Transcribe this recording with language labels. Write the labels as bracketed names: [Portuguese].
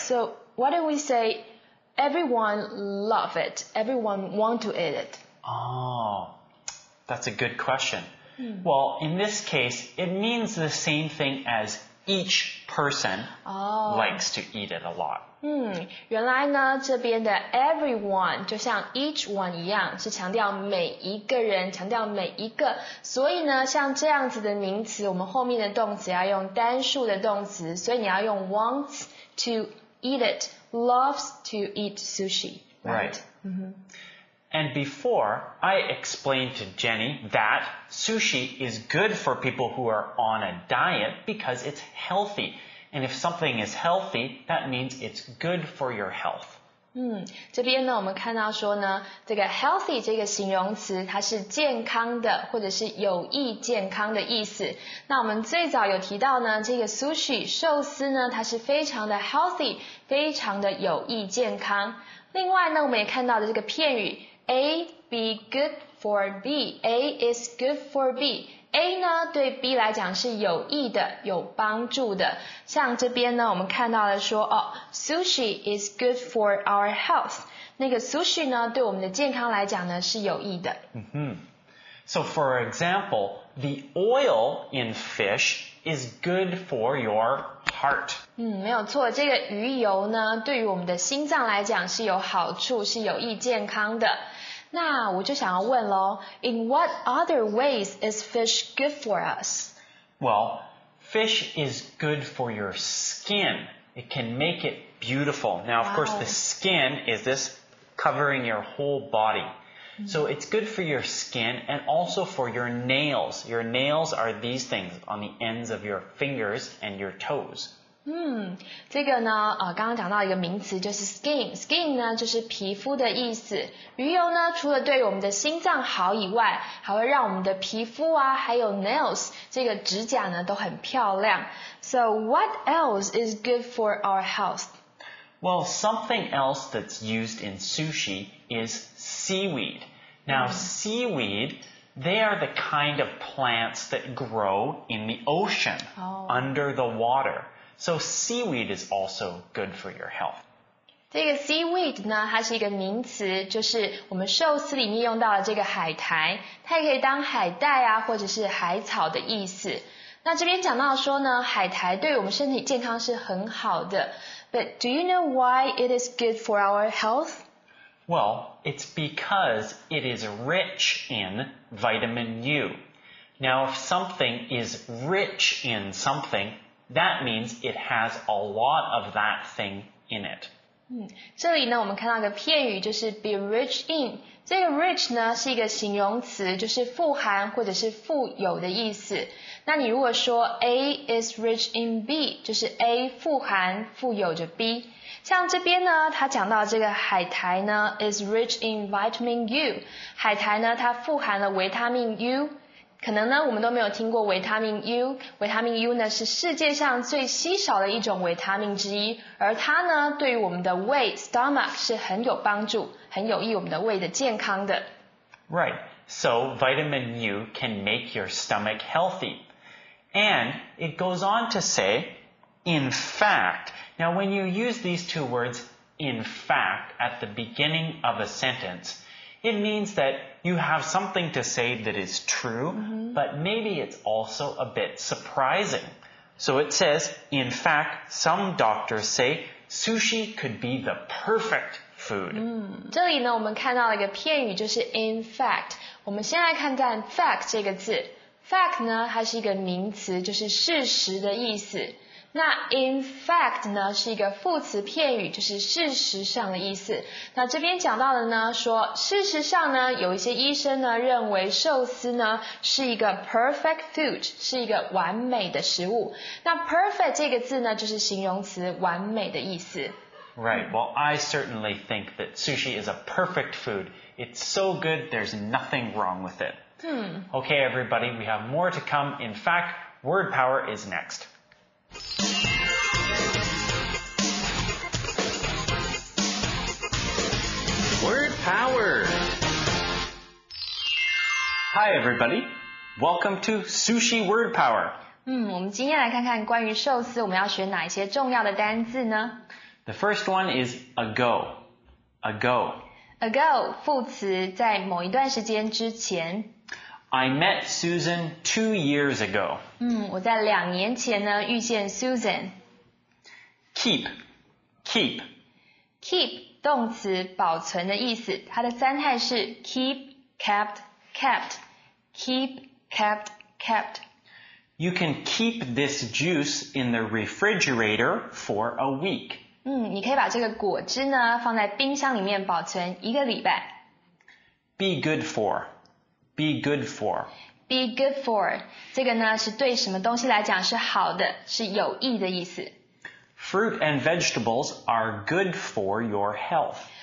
[English] So why don't we say everyone love it, everyone want to eat it? Oh. That's a good question. Well, in this case, it means the same thing as each person likes to eat it a lot. [Chinese] 原来呢，这边的 everyone 就像 each one 一样，是强调每一个人，强调每一个。所以呢，像这样子的名词，我们后面的动词要用单数的动词，所以你要用 [English] wants to eat it, loves to eat sushi. Right. And before, I explained to Jenny that sushi is good for people who are on a diet because it's healthy. And if something is healthy, that means it's good for your health. [Chinese] 这边呢我们看到说呢这个 healthy 这个形容词它是健康的或者是有益健康的意思。那我们最早有提到呢这个 sushi, 寿司呢它是非常的 healthy, 非常的有益健康。另外呢我们也看到的这个片语 [English] A be good for B, [Chinese] A is good for B。 A 呢对 B 来讲是有益的有帮助的像这边呢我们看到了说、哦、 [English] Sushi is good for our health [Chinese] 那个 Sushi 呢对我们的健康来讲呢是有益的、 mm-hmm. [English] So for example The oil in fish is good for your heart [Chinese] 没有错这个鱼油呢对于我们的心脏来讲是有好处是有益健康的那我就想要问咯 [English] In what other ways is fish good for us? Well, fish is good for your skin. It can make it beautiful. Now, of course, the skin is this covering your whole body. So it's good for your skin and also for your nails. Your nails are these things on the ends of your fingers and your toes. [Chinese] 这个呢刚刚讲到一个名词就是 skin skin 呢就是皮肤的意思鱼油呢除了对我们的心脏好以外还会让我们的皮肤啊还有 nails 这个指甲呢都很漂亮 [English] So what else is good for our health? Well something else that's used in sushi is seaweed Now seaweed they are the kind of plants that grow in the ocean、under the waterSo seaweed is also good for your health. [Chinese] 这个 seaweed 呢它是一个名词就是我们寿司里面用到的这个海苔它也可以当海带啊或者是海草的意思。那这边讲到说呢海苔对我们身体健康是很好的。 [English] But do you know why it is good for our health? Well, it's because it is rich in vitamin U. Now, if something is rich in something,That means it has a lot of that thing in it. [Chinese] 这里呢我们看到一个片语就是 be rich in. 这个 rich 呢是一个形容词就是富含或者是富有的意思。那你如果说 [English] A is rich in B, [Chinese] 就是 A 富含富有着 B。像这边呢它讲到这个海苔呢 [English] is rich in vitamin U. [Chinese] 海苔呢它富含了维他命 U。可能呢我们都没有听过维他命 U 维他命 U 呢是世界上最稀少的一种维他命之一而它呢对于我们的胃 stomach 是很有帮助很有益我们的胃的健康的 [English] Right, so vitamin U can make your stomach healthy And it goes on to say In fact Now when you use these two words In fact at the beginning of a sentenceIt means that you have something to say that is true,、mm-hmm. but maybe it's also a bit surprising. So it says, in fact, some doctors say sushi could be the perfect food.、 [Chinese] 这里呢我们看到了一个片语就是 in fact. 我们先来看看 fact 这个字。 Fact 呢它是一个名词就是事实的意思。那 in fact 呢是一个副词片语就是事实上的意思那这边讲到的呢说事实上呢有一些医生呢认为寿司呢是一个 perfect food 是一个完美的食物那 perfect 这个字呢就是形容词完美的意思 [English] Right, well I certainly think that sushi is a perfect food It's so good there's nothing wrong with it、Okay everybody, we have more to come In fact, word power is next Word Power! Hi everybody! Welcome to Sushi Word Power! [Chinese] 我们今天来看看关于寿司我们要学哪些重要的单字呢? [English] The first one is ago. Ago. [Chinese] Ago, 副词在某一段时间之前。 [English] I met Susan 2 years ago. [Chinese] 我在两年前呢遇见 Susan. [English] Keep. Keep. Keep. [Chinese] 动词保存的意思它的三态是 keep, kept, kept keep, kept, kept [English] You can keep this juice in the refrigerator for a week [Chinese] 你可以把这个果汁呢放在冰箱里面保存一个礼拜 [English] Be good for Be good for [Chinese] Be good for 这个呢是对什么东西来讲是好的是有益的意思 [English] Fruit and vegetables are good for your health.